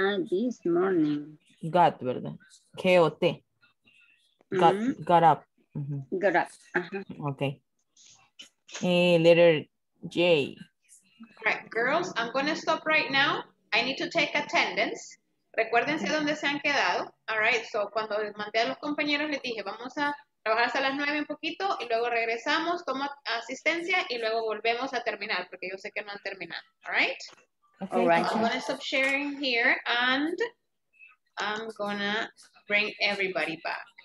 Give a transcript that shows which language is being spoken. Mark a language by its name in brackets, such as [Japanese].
[English] This morning. Got, brother. K-O-T. Got up. Mm-hmm. Got up. Uh-huh. Okay. Letter J. All right, girls, I'm going to stop right now. I need to take attendance. [Spanish] Recuérdense dónde se han quedado. [English] All right, so [Spanish] cuando les mandé a los compañeros, les dije, vamos a trabajar hasta las 9 un poquito y luego regresamos, tomo asistencia y luego volvemos a terminar porque yo sé que no han terminado. [English] All right? Okay. All right. So I'm going to stop sharing here and I'm going to bring everybody back.